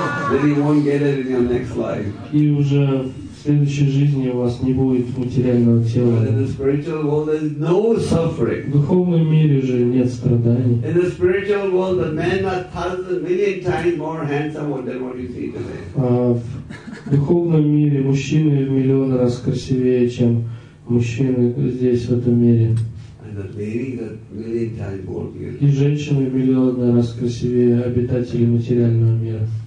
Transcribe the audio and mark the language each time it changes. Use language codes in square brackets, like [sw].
[en] Then you won't get it in your next life. [ru] И уже в следующей жизни у вас не будет материального тела. [en] But in the spiritual world, there's no suffering. [ru] В духовном мире же нет страданий. [en] In the spiritual world, the man are thousand million times more handsome than what you see today. [ru] В духовном мире мужчины в миллион раз красивее, чем мужчины здесь, в этом мире. И женщины миллион раз красивее обитателей материального мира.